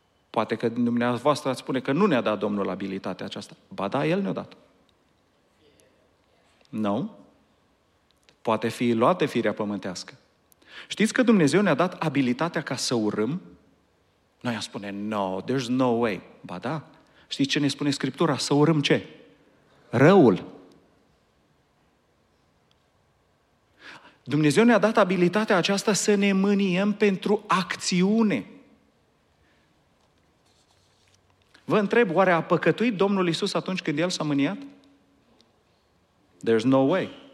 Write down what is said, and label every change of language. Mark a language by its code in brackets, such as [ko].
[ro] Poate că dumneavoastră ați spune că nu ne-a dat Domnul abilitatea aceasta. Ba da, El ne-a dat. Nu? Poate fi luată firea pământească. Știți că Dumnezeu ne-a dat abilitatea ca să urâm? Noi am spune, [en] no, there's no way. [ro] Ba da. Știți ce ne spune Scriptura? Să urâm ce? Răul. Dumnezeu ne-a dat abilitatea aceasta să ne mâniem pentru acțiune. Vă întreb, oare a păcătuit Domnul Iisus atunci când El s-a mâniat? [en] There's no way.